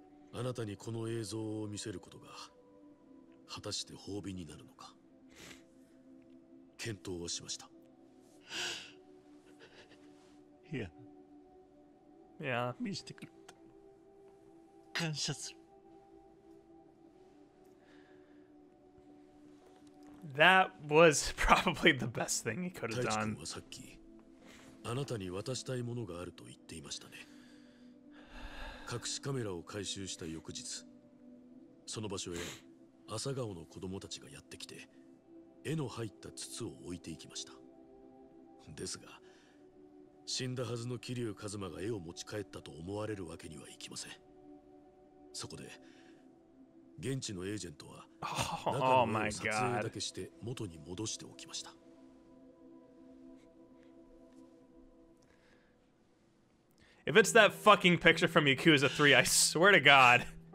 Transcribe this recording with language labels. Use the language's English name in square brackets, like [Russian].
[Japanese] あなたにこの映像を見せることが果たして褒美になるのか検討をしました。いや、いや、見せてくれって感謝する。 [English] That was probably the best thing he could have done。 [Japanese] 大地君はさっきあなたに渡したいものがあると言っていましたね。隠しカメラを回収した翌日、その場所へ朝顔の子供たちがやってきて、絵の入った筒を置いていきました。ですが、死んだはずの桐生一馬が絵を持ち帰ったと思われるわけにはいきません。そこで現地のエージェントは中の絵を撮影だけして元に戻しておきました。 [English] If it's that fucking picture from Yakuza 3, I swear to God.